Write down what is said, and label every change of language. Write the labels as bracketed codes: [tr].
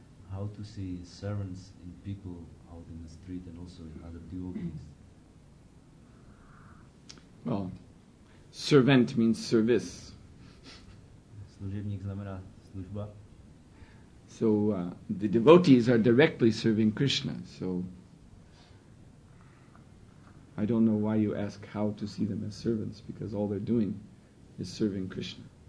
[en] how to see servants in people out in the street and also in other devotees? Well, servant means service. [cs] Služebník znamená služba. [en] So the devotees are directly serving Krishna. So I don't know why you ask how to see them as servants, because all they're doing is serving Krishna.